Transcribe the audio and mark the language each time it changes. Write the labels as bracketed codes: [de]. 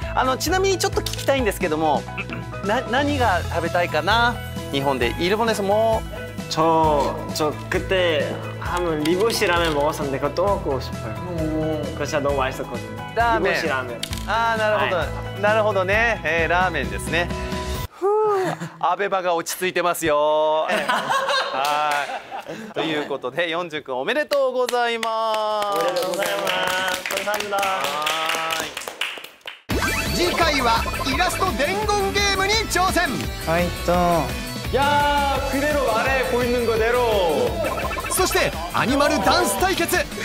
[ja] 아, 좀 더 聞きたい んですけども, 何が 食べたいかな? [ko] 일본에, 일본에서 뭐? 저 그때 한번 리보시 라면 먹었었는데 그거 또 먹고 싶어요. 그거 진짜 너무 맛있었거든요. 라멘. 리보시 라면. 아, 나름대로. 나름대로, 네. 에, 라멘ですね. 네. [ja] 아베바가 落ち着いてますよ.네.ということで, 연주君 おめでとうございます. おめでとうございます. [ko] 감사합니다. [ja] 次回は イラスト 伝言 게임에 도전. [ko] 파이터. 야, 그대로 말해. 보이는 거대로. そして, 애니멀 댄스 대결.